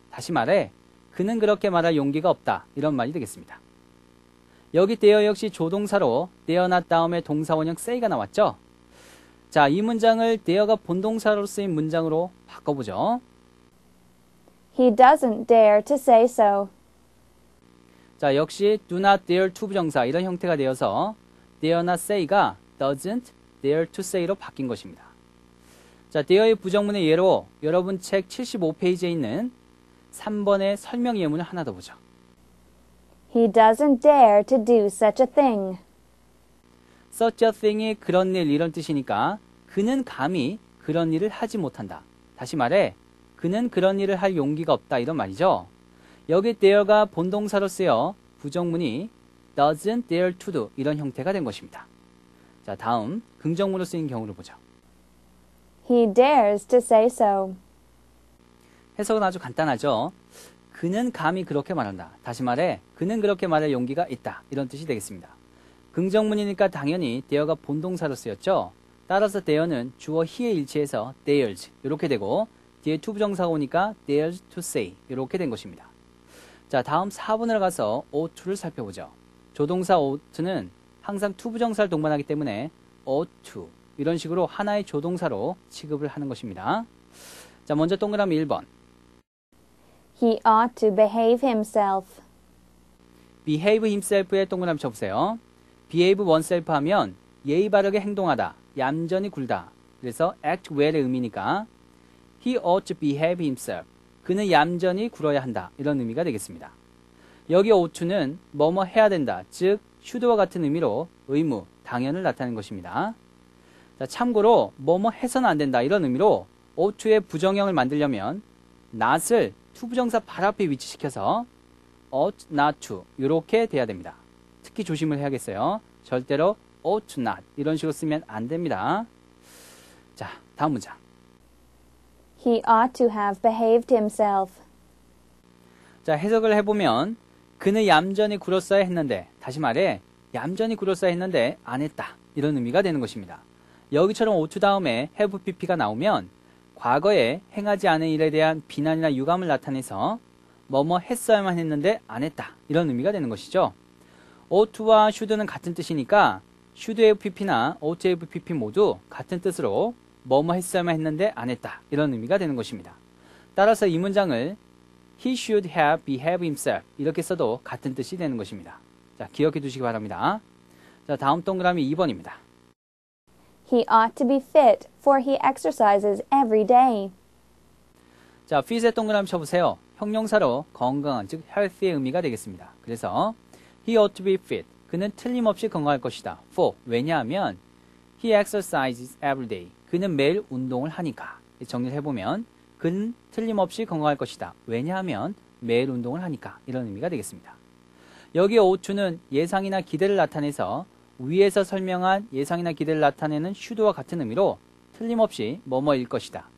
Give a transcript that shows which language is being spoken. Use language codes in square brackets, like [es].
[ko] 다시 말해 그는 그렇게 말할 용기가 없다. 이런 말이 되겠습니다. 여기 dare 역시 조동사로 dare not 다음에 동사원형 say가 나왔죠. 자, 이 문장을 dare가 본동사로 쓰인 문장으로 바꿔보죠. [en] He doesn't dare to say so. [ko] 자, 역시 do not dare to 부정사 이런 형태가 되어서 dare not say가 doesn't dare to say로 바뀐 것입니다. 자, dare의 부정문의 예로 여러분 책 75페이지에 있는 3번의 설명 예문을 하나 더 보죠. [en] He doesn't dare to do such a thing. [ko] Such a thing이 그런 일 이런 뜻이니까 그는 감히 그런 일을 하지 못한다. 다시 말해 그는 그런 일을 할 용기가 없다 이런 말이죠. 여기 dare가 본동사로 쓰여 부정문이 doesn't dare to do 이런 형태가 된 것입니다. 자, 다음 긍정문으로 쓰인 경우를 보죠. [en] He dares to say so. [ko] 해석은 아주 간단하죠. 그는 감히 그렇게 말한다. 다시 말해 그는 그렇게 말할 용기가 있다. 이런 뜻이 되겠습니다. 긍정문이니까 당연히 dare가 본동사로 쓰였죠. 따라서 dare는 주어 he에 일치해서 dares 이렇게 되고 뒤에 to 부정사가 오니까 dares to say 이렇게 된 것입니다. 자, 다음 4번을 가서 ought to를 살펴보죠. 조동사 ought는 항상 to 부정사를 동반하기 때문에 ought to 이런 식으로 하나의 조동사로 취급을 하는 것입니다. 자, 먼저 동그라미 1번. [en] He ought to behave himself. [ko] Behave himself의 동그라미 쳐보세요. Behave oneself 하면 예의 바르게 행동하다, 얌전히 굴다. 그래서 [en] act well의 [ko] 의미니까 [en] He ought to behave himself. [ko] 그는 얌전히 굴어야 한다. 이런 의미가 되겠습니다. 여기 ought to는 뭐뭐 해야 된다, 즉 should와 같은 의미로 의무, 당연을 나타내는 것입니다. 자, 참고로 뭐뭐 해서는 안 된다 이런 의미로 ought to의 부정형을 만들려면 not을 to 부정사 발 앞에 위치시켜서 ought not to 이렇게 돼야 됩니다. 특히 조심을 해야겠어요. 절대로 ought not 이런 식으로 쓰면 안 됩니다. 자, 다음 문장. [en] He ought to have behaved himself. [ko] 자, 해석을 해보면 그는 얌전히 굴었어야 했는데, 다시 말해 얌전히 굴었어야 했는데 안 했다 이런 의미가 되는 것입니다. 여기처럼 ought to 다음에 have pp가 나오면 과거에 행하지 않은 일에 대한 비난이나 유감을 나타내서 뭐뭐 했어야만 했는데 안 했다 이런 의미가 되는 것이죠. ought to와 should는 같은 뜻이니까 should have pp나 ought to have pp 모두 같은 뜻으로 뭐뭐 했어야만 했는데 안 했다 이런 의미가 되는 것입니다. 따라서 이 문장을 [en] he should have behaved himself [ko] 이렇게 써도 같은 뜻이 되는 것입니다. 자, 기억해 두시기 바랍니다. 자, 다음 동그라미 2번입니다. [en] He ought to be fit, for he exercises every day. [ko] 자, fit의 동그라미 쳐보세요. 형용사로 건강한, 즉 healthy의 의미가 되겠습니다. 그래서 [en] he ought to be fit, [ko] 그는 틀림없이 건강할 것이다. [en] For, [ko] 왜냐하면 [en] He exercises every day. [ko] 그는 매일 운동을 하니까. 정리를 해보면 그는 틀림없이 건강할 것이다. 왜냐하면 매일 운동을 하니까. 이런 의미가 되겠습니다. 여기 ought는 예상이나 기대를 나타내서 위에서 설명한 예상이나 기대를 나타내는 should와 같은 의미로 틀림없이 뭐뭐일 것이다.